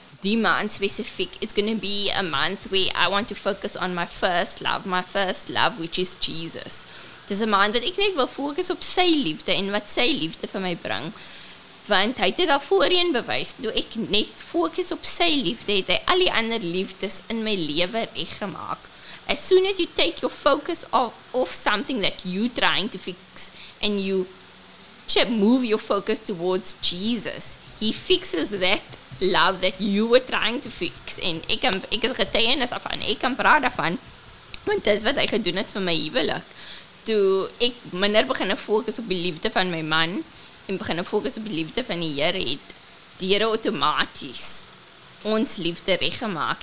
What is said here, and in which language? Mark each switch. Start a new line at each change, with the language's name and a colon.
Afrikaans: Die maand
English: specific, it's going to be a month where I want to focus on my first love, which is Jesus.
Afrikaans: Dis 'n maand wat ek net wil fokus op sy liefde en wat sy liefde vir my bring. Want hy het al voorheen bewys, toe ek net fokus op sy liefde, het hy al die ander liefdes in my lewe reggemaak.
English: As soon as you take your focus off something that you trying to fix, and you move your focus towards Jesus, he fixes that love that you were trying to fix.
Afrikaans: En ek is getuienis daarvan, ek kan praat daarvan, want dis wat hy gedoen het vir my huwelik. Toe ek minder begin fokus op die liefde van my man en begin fokus op die liefde van die Here, het die Here outomaties ons liefde reggemaak.